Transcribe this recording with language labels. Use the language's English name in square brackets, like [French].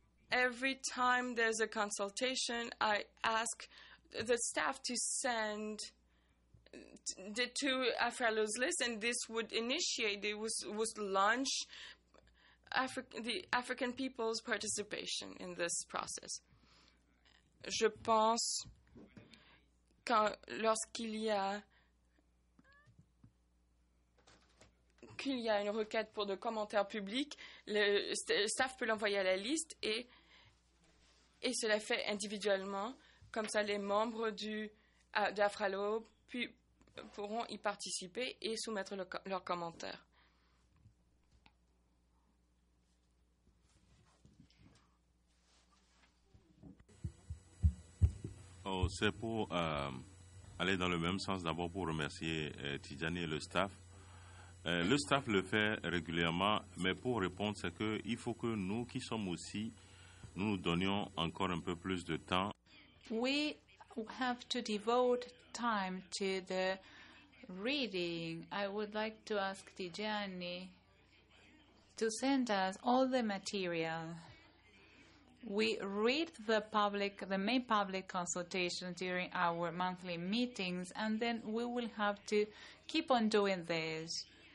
[English] Every time there's a consultation, I ask the staff to send the two AFRALO's list, and this would initiate, launch the African people's participation in this process. [French] Je pense quand, lorsqu'il y a qu'il y a une requête pour de commentaires publics, le staff peut l'envoyer à la liste et cela fait individuellement. Comme ça, les membres d'AFRALO pourront y participer et soumettre leurs commentaires. Oh, c'est pour aller dans le même sens, d'abord pour remercier Tidjani et le staff. Le staff le fait régulièrement, mais pour répondre, c'est qu'il faut que nous qui sommes aussi, nous nous donnions encore un peu plus de temps. [English] We have to devote time to the reading. I would like to ask Tidjani to send us all the material. We read the main public consultation during our monthly meetings, and then we will have to keep on doing this.